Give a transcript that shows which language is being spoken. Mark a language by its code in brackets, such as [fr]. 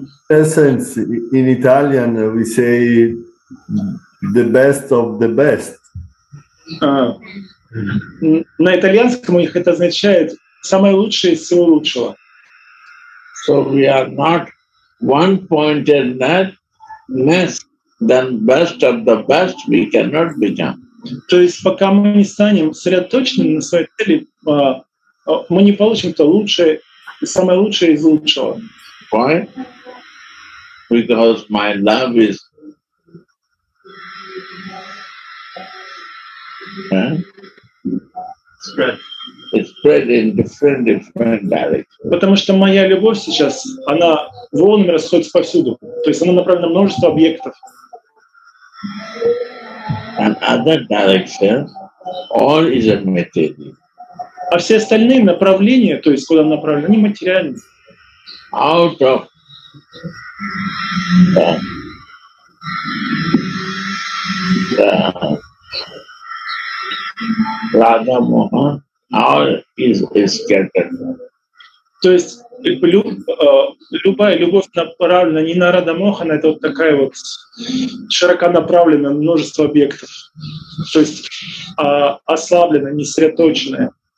[en] Essence in Italian we say the best of the best. [ru] На итальянском у них это означает самое лучшее из всего лучшего. [en] So we are not one pointed ness, then best of the best we cannot become. [ru] То есть пока мы не станем сосредоточенными на своей цели, мы не получим то лучшее. Самое лучшее из лучшего. [en] Why? Because my love is. Spread in different directions. [ru] Потому что моя любовь сейчас, она волнами расходится повсюду. То есть она направлена на множество объектов. [en] And other directions, all is a material. [ru] А все остальные направления, то есть куда направлены, они материальны. [en] Out of the Radha Mohan, all is scattered. [ru] То есть любая любовь направлена не на Радха Мохана, это вот такая вот широко направленная, множество объектов. То есть ослабленная, не сосредоточенная.